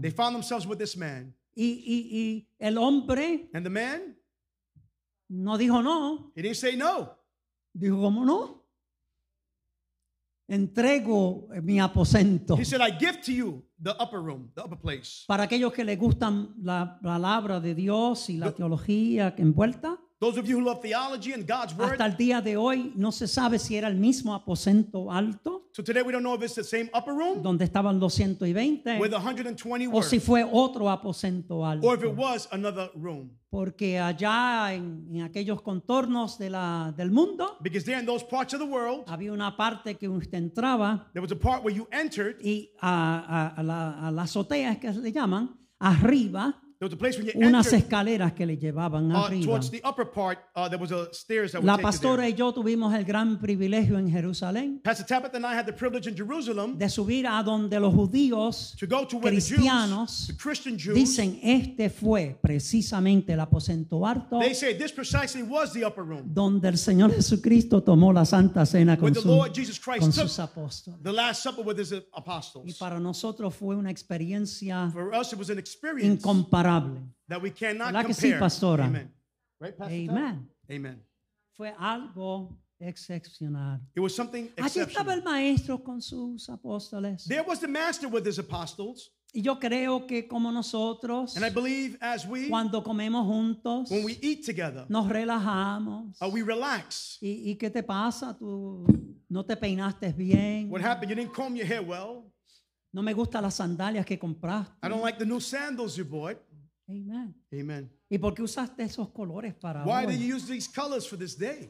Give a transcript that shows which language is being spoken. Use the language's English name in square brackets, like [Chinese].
[English] They found themselves with this man. [Spanish] Y el hombre [English] and the man [Spanish] no dijo no. [English] He didn't say no. [Spanish] Dijo, ¿cómo no? Entrego mi aposento. [English] He said, I give to you the upper room, the upper place. [Spanish] Para aquellos que les gustan la palabra de Dios y la teología que envuelta. [English] Those of you who love theology and God's word. [Spanish] Hasta el día de hoy no se sabe si era el mismo aposento alto. [English] So today we don't know if it's the same upper room. [Spanish] Donde estaban los 120. [English] With 120 [Spanish] o si fue otro aposento alto. [English] Or if it was another room. [Spanish] Porque allá en aquellos contornos de la, del mundo. [English] Because there in those parts of the world. [Spanish] Había una parte que usted entraba. [English] There was a part where you entered. [Spanish] Y a la azotea es que le llaman. Arriba. [English] There was a place when you [Spanish] unas [English] entered, [Spanish] escaleras que le llevaban arriba. [English] Towards the upper part, there was a stairs that [Spanish] la pastora y yo tuvimos el gran privilegio en Jerusalén. [English] Pastor Tabitha and I had the privilege in Jerusalem [Spanish] de subir a donde los judíos [English] to go to [Spanish] cristianos [English] where the Jews, the Christian Jews, [Spanish] dicen este fue precisamente el aposento alto. [English] They say this precisely was the upper room [Spanish] donde el Señor Jesucristo tomó la Santa Cena con, [English] the [Spanish] su, [English] Lord Jesus Christ [Spanish] con [English] took [Spanish] sus apóstoles. [English] The last supper with his apostles. [Spanish] Y para nosotros fue una experiencia [English] for us it was an experience that we cannot like compare. [Spanish] Sí, pastora. [English] Amen. Right, Pastor? Amen. Amen. [Spanish] Fue algo excepcional. [English] It was something exceptional. [Spanish] Allí estaba el maestro con sus apóstoles. [English] There was the master with his apostles. [Spanish] Y yo creo que como nosotros, [English] and I believe as we, [Spanish] cuando comemos juntos, [English] when we eat together, [Spanish] nos relajamos. [English] We relax. [Spanish] Y qué te pasa, tú no te peinaste bien. [English] What happened? You didn't comb your hair well. [Spanish] No me gustan las sandalias que compraste. [English] I don't like the new sandals you bought. Amen. Amen. [Spanish] ¿Y por qué usaste esos colores para [English] why [Spanish] hoy? [English] Did you use these colors for this day?